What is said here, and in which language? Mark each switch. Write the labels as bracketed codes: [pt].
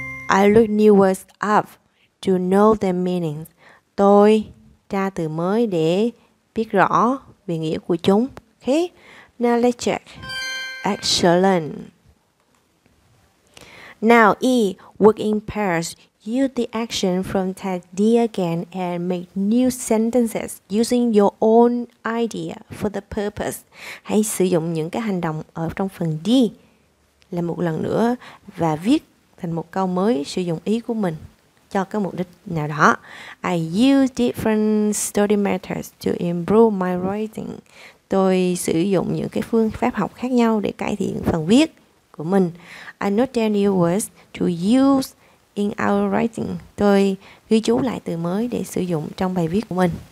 [en] I look new words up to know their meaning. [vi] Tôi tra từ mới để biết rõ về nghĩa của chúng. [en] Okay. Now let's check. Excellent. Now E, work in pairs. Use the action from Ted D again and make new sentences using your own idea for the purpose. [vi] Hãy sử dụng những cái hành động ở trong phần D là một lần nữa và viết thành một câu mới sử dụng ý của mình cho cái mục đích nào đó. [en] I use different study methods to improve my writing. [vi] Tôi sử dụng những cái phương pháp học khác nhau để cải thiện phần viết của mình. [en] I note down new words to use in our writing. [vi] Tôi ghi chú lại từ mới để sử dụng trong bài viết của mình.